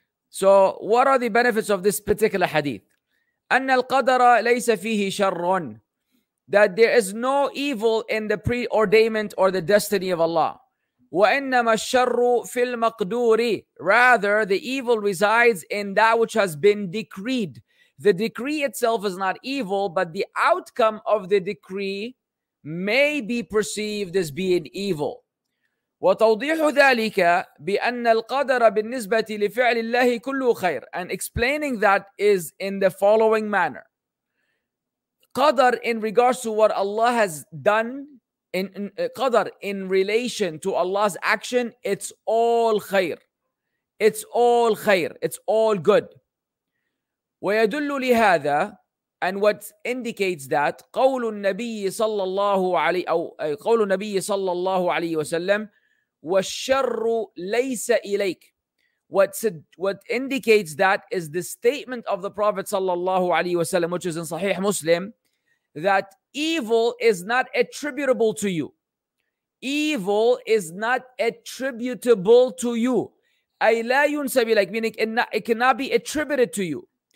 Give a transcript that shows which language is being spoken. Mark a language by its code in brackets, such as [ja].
[en] So what are the benefits of this particular hadith? [ar] أن القدر ليس فيه شر, [en] that there is no evil in the preordainment or the destiny of Allah. [ar] وإنما الشر في المقدور, [en] rather the evil resides in that which has been decreed. The decree itself is not evil, but the outcome of the decree may be perceived as being evil. [ar] وتوضيح ذلك بأن القدر بالنسبة لفعل الله كله خير. [en] And explaining that is in the following manner. Qadar in regards to what Allah has done, qadar in relation to Allah's action, it's all خير. It's all خير. It's all good. [ar] ويدل لهذا, [en] and what indicates that, [ar] قول النبي صلى الله عليه أو قول النبي صلى الله عليه وسلم, وَالشَّرُّ لَيْسَ إِلَيْكَ. [en] What indicates that is the statement of the Prophet sallallahu alayhi wasallam, which is in Sahih Muslim, that evil is not attributable to you. Evil is not attributable to you. [ar] أي لا ينسب إليك, [en] meaning it cannot be attributed to you.